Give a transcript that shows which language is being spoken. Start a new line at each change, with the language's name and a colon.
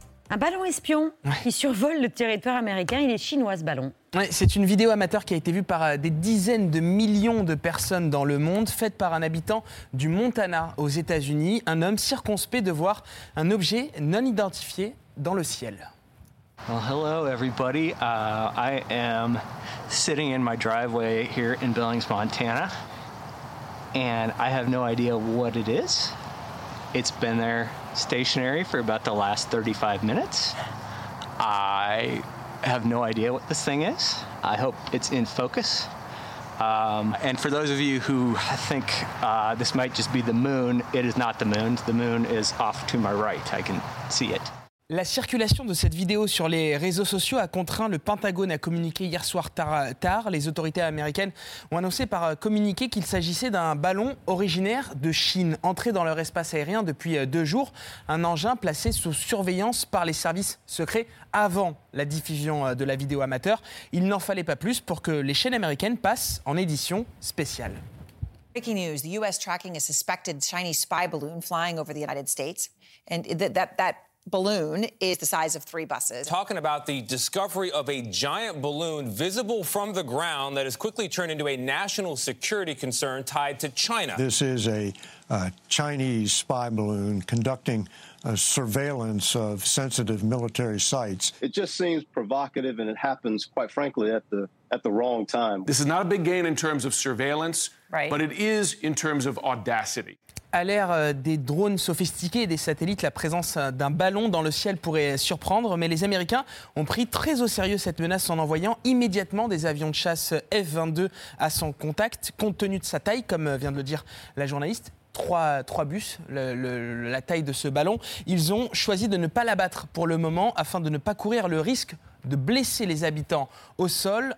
French: Un ballon espion qui survole le territoire américain. Il est chinois, ce ballon. Ouais, c'est une vidéo amateur qui a été vue par des dizaines de millions de personnes dans le monde, faite par un habitant du Montana aux États-Unis, un homme circonspect de voir un objet non identifié dans le ciel.
English: Well, hello everybody. I am sitting in my driveway here in Billings, Montana, and I have no idea what it is. It's been there stationary for about the last 35 minutes. I have no idea what this thing is. I hope it's in focus. And for those of you who think this might just be the moon, it is not the moon. The moon is off to my right. I can see it.
French: La circulation de cette vidéo sur les réseaux sociaux a contraint le Pentagone à communiquer hier soir tard. Les autorités américaines ont annoncé par communiqué qu'il s'agissait d'un ballon originaire de Chine, entré dans leur espace aérien depuis deux jours. Un engin placé sous surveillance par les services secrets avant la diffusion de la vidéo amateur. Il n'en fallait pas plus pour que les chaînes américaines passent en édition spéciale.
English: Breaking news, the US tracking a suspected Chinese spy balloon flying over the United States. And that balloon is the size of three buses. Talking about the discovery of a giant balloon visible from the ground that has quickly turned into a national security concern tied to China. This is a Chinese spy balloon conducting a surveillance of sensitive military sites. It just seems provocative, and it happens, quite frankly, at the wrong time. This is not a big gain in terms of surveillance, right, but it is in terms of audacity.
French: À l'ère des drones sophistiqués et des satellites, la présence d'un ballon dans le ciel pourrait surprendre. Mais les Américains ont pris très au sérieux cette menace en envoyant immédiatement des avions de chasse F-22 à son contact. Compte tenu de sa taille, comme vient de le dire la journaliste, trois bus, la taille de ce ballon, ils ont choisi de ne pas l'abattre pour le moment afin de ne pas courir le risque de blesser les habitants au sol.